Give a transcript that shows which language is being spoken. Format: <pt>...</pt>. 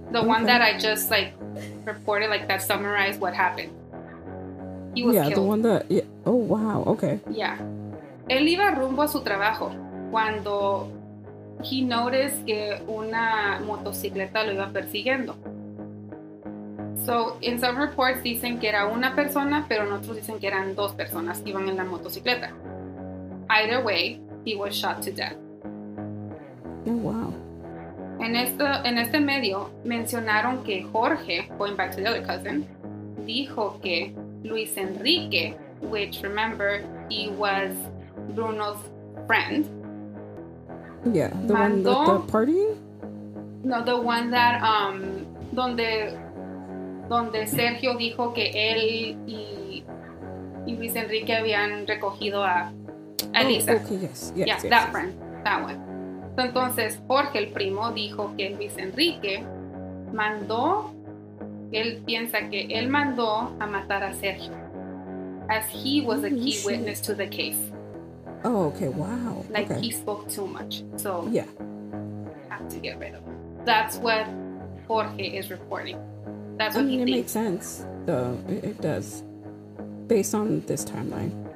<en>One that I just reported, that summarized what happened. He was killed. Yeah, the one that. Yeah. Oh, wow. Okay. Yeah.</en> <es>Él iba rumbo a su trabajo cuando</es> <en>he noticed</en> <es>que una motocicleta lo iba persiguiendo.</es> <en>So, in some reports,</en> <es>dicen que era una persona, pero en otros dicen que eran dos personas que iban en la motocicleta.</es> <en>Either way, he was shot to death. Oh, wow.</en> <es>En este medio, mencionaron que Jorge,</es> <en>going back to the other cousin,</en> <es>dijo que Luis Enrique,</es> <en>which, remember, he was Bruno's friend. Yeah, the mandó, one at the party? No, the one that,</en> <es>donde Sergio dijo que él y Luis Enrique habían recogido a Eliza.</es> <en>Oh, okay, yes, that friend. That one.</en> <es>Entonces, Jorge, el primo, dijo que Luis Enrique mandó, él piensa que él mandó a matar a Sergio.</es> <en>As he was a key witness to the case. Oh, okay, wow. Like, he spoke too much. So, yeah. Have to get rid of him. That's what Jorge is reporting. That's what he thinks. Makes sense, though. It does. Based on this timeline.</en>